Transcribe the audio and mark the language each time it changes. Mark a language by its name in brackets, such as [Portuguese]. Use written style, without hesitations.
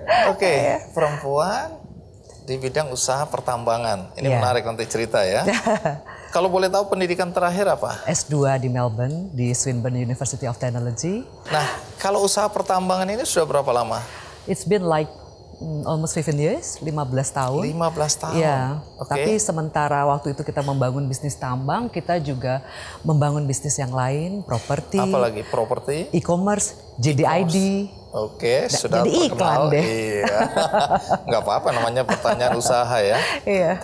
[Indonesian] Oke, perempuan di bidang usaha pertambangan. Ini menarik nanti cerita ya. Kalau boleh tahu pendidikan terakhir apa? S2 di Melbourne, di Swinburne University of Technology. Nah, kalau usaha pertambangan ini sudah berapa lama? [English] It's been like almost 15 years, [Indonesian] 15 tahun. 15 tahun? Iya, okay. Tapi sementara waktu itu kita membangun bisnis tambang, kita juga membangun bisnis yang lain, properti. Apa lagi properti? E-commerce, JDID. Oke, okay, sudah jadi terkenal. Jadi iklan deh. Iya, gak apa-apa namanya pertanyaan usaha ya. Iya.